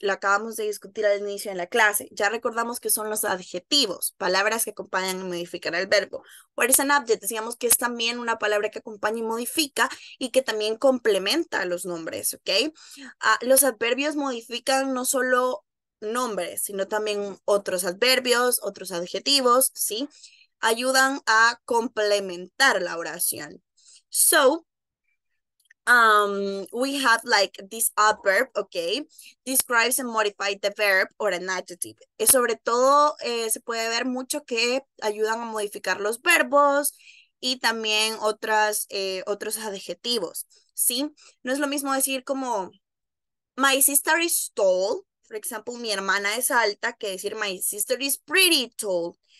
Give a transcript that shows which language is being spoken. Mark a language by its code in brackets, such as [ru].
[es] Lo acabamos de discutir al inicio de la clase. Ya recordamos que son los adjetivos, palabras que acompañan y modifican el verbo. [en] What is an adjective? [es] Decíamos que es también una palabra que acompaña y modifica y que también complementa a los nombres, ¿ok? Los adverbios modifican no solo nombres, sino también otros adverbios, otros adjetivos, ¿sí? Ayudan a complementar la oración. [en] So, we have like this adverb, okay, describes and modifies the verb or an adjective. [es] Es sobre todo, se puede ver mucho que ayudan a modificar los verbos y también otros adjetivos, ¿sí? No es lo mismo decir como, [en] my sister is tall. [es] Por ejemplo, mi hermana es alta, que decir [en] my sister is pretty tall.